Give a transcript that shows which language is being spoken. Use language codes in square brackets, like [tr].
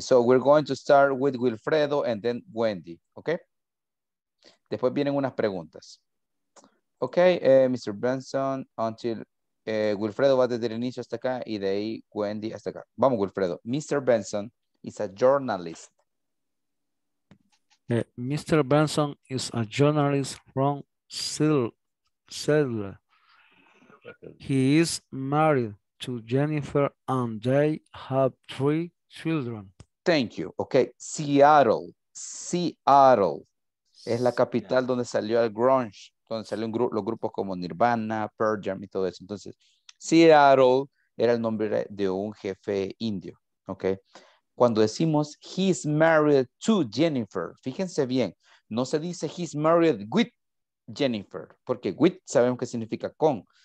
[en] So we're going to start with Wilfredo and then Wendy. [es] Okay. Después vienen unas preguntas. Okay, Mr. Benson, until Wilfredo va desde el inicio hasta acá y de ahí Wendy hasta acá. Vamos, [en] Wilfredo. Mr. Benson is a journalist. Mr. Benson is a journalist from Seattle. He is married to Jennifer and they have three children. Thank you. Okay. Seattle. Seattle. [es] Es la capital donde salió el grunge, donde salió los grupos como Nirvana, Pearl Jam y todo eso. Entonces, Seattle era el nombre de un jefe indio. Okay. Cuando decimos [en] he's married to Jennifer, [es] fíjense bien, no se dice [en] he's married with Jennifer, [es] porque with sabemos que significa con.